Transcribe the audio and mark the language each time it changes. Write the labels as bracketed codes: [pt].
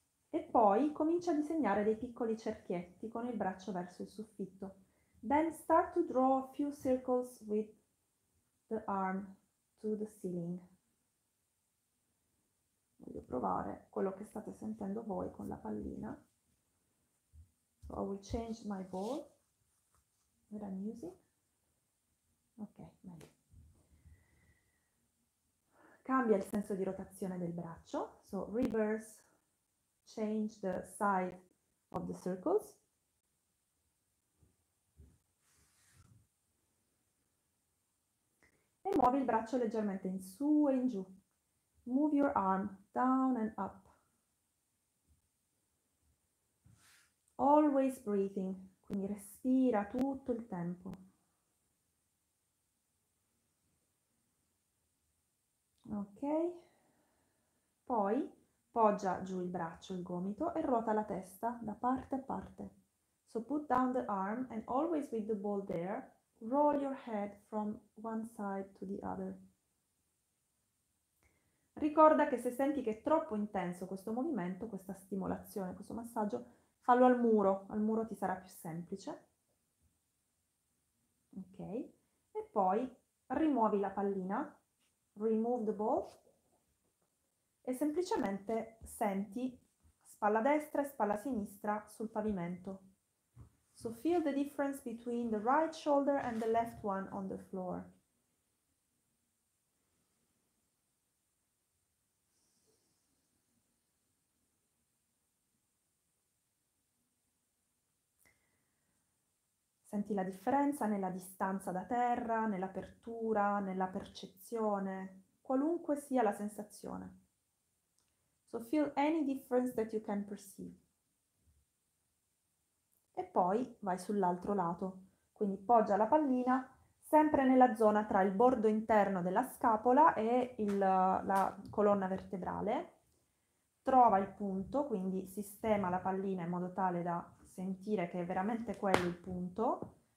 [it] E poi comincia a disegnare dei piccoli cerchietti con il braccio verso il soffitto. [en] Then start to draw a few circles with the arm to the ceiling. [it] Voglio provare quello che state sentendo voi con la pallina. [en] So I will change my ball that I'm using. [it] Ok, meglio. Cambia il senso di rotazione del braccio. [en] So reverse, change the side of the circles. [it] Muovi il braccio leggermente in su e in giù. [en] Move your arm down and up. Always breathing, [it] quindi respira tutto il tempo. Ok. Poi poggia giù il braccio, il gomito e ruota la testa da parte a parte. [en] So put down the arm and always with the ball there, roll your head from one side to the other. [it] Ricorda che se senti che è troppo intenso questo movimento, questa stimolazione, questo massaggio, fallo al muro ti sarà più semplice. Ok? E poi rimuovi la pallina, [en] remove the ball, [it] e semplicemente senti spalla destra e spalla sinistra sul pavimento. [en] So feel the difference between the right shoulder and the left one on the floor. [it] Senti la differenza nella distanza da terra, nell'apertura, nella percezione, qualunque sia la sensazione. [en] So feel any difference that you can perceive. [it] E poi vai sull'altro lato, quindi poggia la pallina sempre nella zona tra il bordo interno della scapola e la colonna vertebrale. Trova il punto, quindi sistema la pallina in modo tale da sentire che è veramente quello il punto.